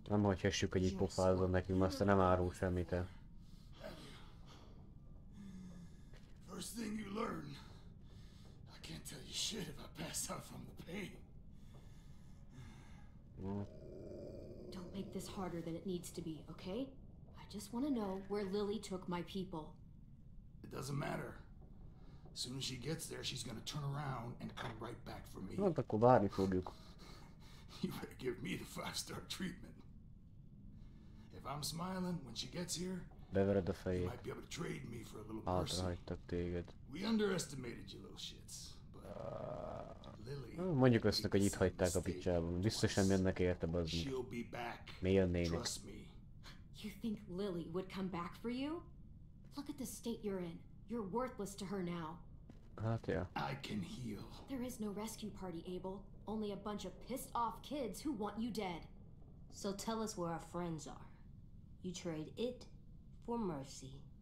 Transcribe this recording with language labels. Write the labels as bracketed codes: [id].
[hu] Nem hagyhessük, hogy így pofázzon nekünk, azt nem árul semmit el. [en] First thing you learn, I can't tell you shit if I pass out from the pain. Don't make this harder than it needs to be, okay? I just want to know where Lily took my people. It doesn't matter. As soon as she gets there, she's gonna turn around and come right back for me. You better give me the 5-star treatment. If I'm smiling when she gets here, you might be able to trade me for a little mercy. We underestimated you little shits, but... [hu] Mondjuk össznek, hogy itt hagyták a picsába. Biztosan jönnek érte, bazdmeg. Mi jönnének? [en] You think Lily would come back for you? Look at the state you're in. You're worthless to her now. [hu] Hát, ja. [en] I can heal. There is no rescue party, Abel. Only a bunch of pissed off kids who want you dead. So tell us where our friends are. You trade it for mercy.